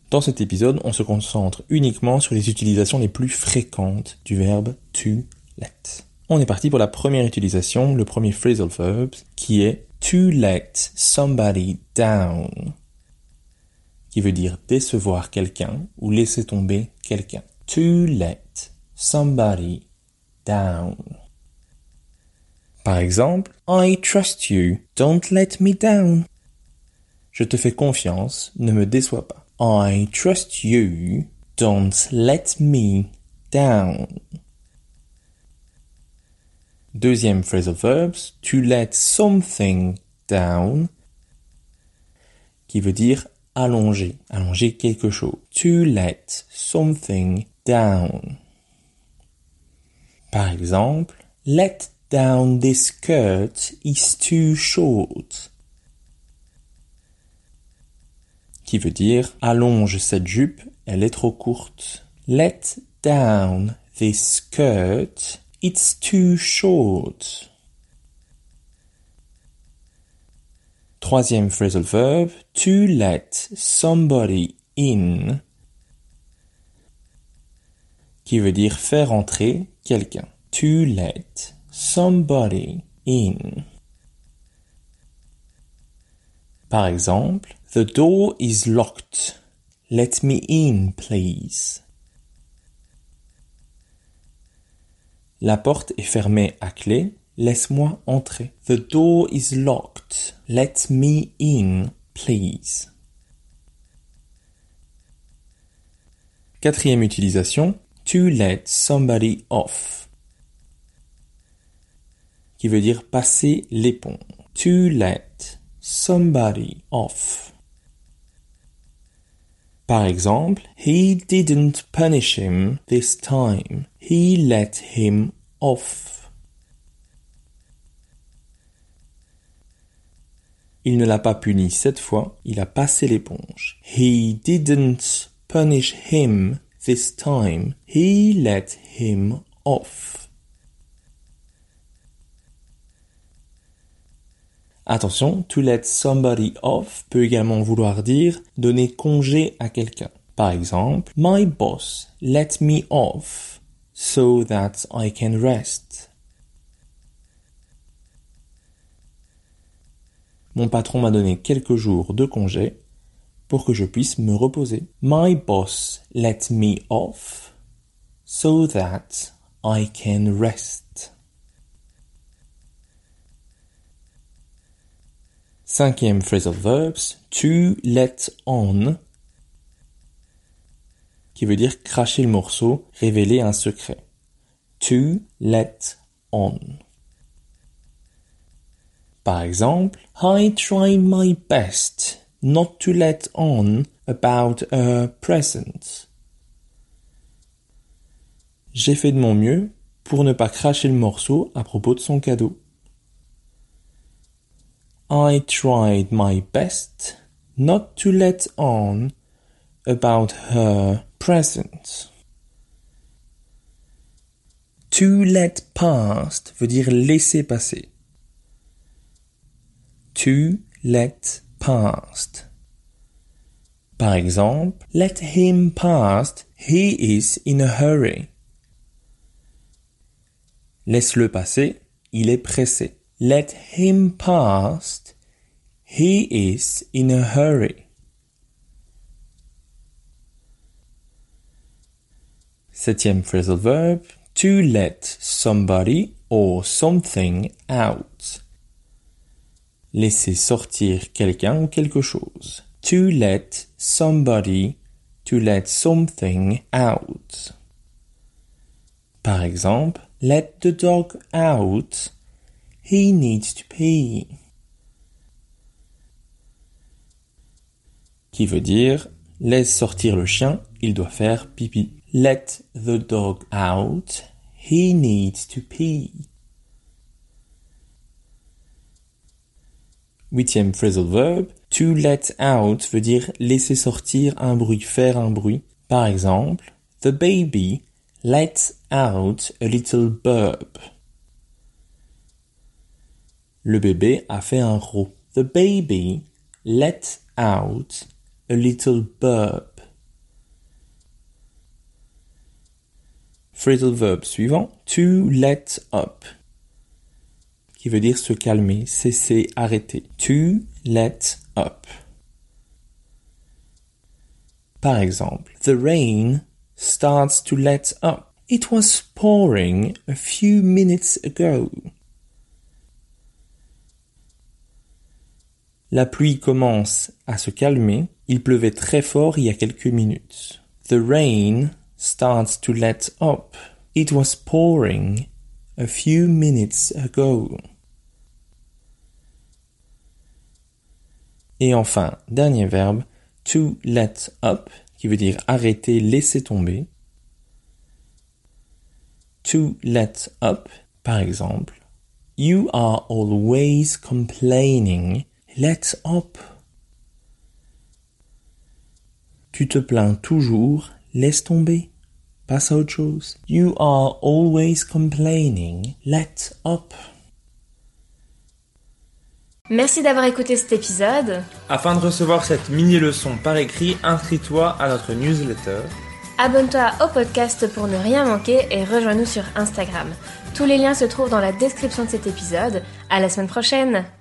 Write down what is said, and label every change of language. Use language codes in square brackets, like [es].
[fr] Dans cet épisode, on se concentre uniquement sur les utilisations les plus fréquentes du verbe to let. On est parti pour la première utilisation, le premier phrasal verb, qui est [en] to let somebody down, [fr] qui veut dire décevoir quelqu'un ou laisser tomber quelqu'un. [en] To let somebody down. [fr] Par exemple, [en] I trust you, don't let me down. [fr] Je te fais confiance, ne me déçois pas. [en] I trust you, don't let me down. [fr] Deuxième phrasal verb, [en] to let something down, [fr] qui veut dire allonger, allonger quelque chose. [en] To let something down. [fr] Par exemple, [en] let down this skirt is too short. [fr] Qui veut dire « allonge cette jupe, elle est trop courte ». [en] « Let down this skirt, it's too short ». [fr] Troisième phrasal verb « [en] to let somebody in [fr] » qui veut dire « faire entrer quelqu'un ».« [en] To let somebody in ». [fr] Par exemple, [en] the door is locked. Let me in, please. [fr] La porte est fermée à clé. Laisse-moi entrer. [en] The door is locked. Let me in, please. [fr] Quatrième utilisation, [en] to let somebody off, [fr] qui veut dire passer l'éponge. [en] To let somebody off. [fr] Par exemple, [en] he didn't punish him this time. He let him off. [fr] Il ne l'a pas puni cette fois, il a passé l'éponge. [en] He didn't punish him this time. He let him off. [fr] Attention, [en] to let somebody off [fr] peut également vouloir dire donner congé à quelqu'un. Par exemple, [en] my boss let me off so that I can rest. [fr] Mon patron m'a donné quelques jours de congé pour que je puisse me reposer. [en] My boss let me off so that I can rest. [fr] Cinquième phrasal verbs, [en] to let on, [fr] qui veut dire cracher le morceau, révéler un secret. [en] To let on. [fr] Par exemple, [en] I try my best not to let on about a present. [fr] J'ai fait de mon mieux pour ne pas cracher le morceau à propos de son cadeau. [en] I tried my best not to let on about her present. To let past [fr] veut dire laisser passer. [en] To let past. [fr] Par exemple, [en] let him past, he is in a hurry. [fr] Laisse-le passer, il est pressé. [en] Let him past, he is in a hurry. [fr] Septième phrasal verb, [en] to let somebody or something out. [fr] Laisser sortir quelqu'un ou quelque chose. [en] To let somebody, to let something out. [fr] Par exemple, [en] let the dog out. He needs to pee. [fr] Qui veut dire, laisse sortir le chien, il doit faire pipi. [en] Let the dog out, he needs to pee. [fr] Huitième phrasal verb, [en] to let out [fr] veut dire laisser sortir un bruit, faire un bruit. Par exemple, [en] the baby lets out a little burp. [fr] Le bébé a fait un rot. [en] The baby let out a little burp. [fr] Phrasal verb suivant, [en] to let up, [fr] qui veut dire se calmer, cesser, arrêter. [en] To let up. [fr] Par exemple, [en] the rain starts to let up. It was pouring a few minutes ago. [fr] La pluie commence à se calmer. Il pleuvait très fort il y a quelques minutes. [en] The rain starts to let up. It was pouring a few minutes ago. [fr] Et enfin, dernier verbe, [en] to let up, [fr] qui veut dire arrêter, laisser tomber. [en] To let up, [fr] par exemple. [en] You are always complaining. Let up. [fr] Tu te plains toujours, laisse tomber, passe à autre chose. [en] You are always complaining, let up. [fr] Merci d'avoir écouté cet épisode. Afin de recevoir cette mini-leçon par écrit, inscris-toi à notre newsletter. Abonne-toi au podcast pour ne rien manquer et rejoins-nous sur Instagram. Tous les liens se trouvent dans la description de cet épisode. À la semaine prochaine.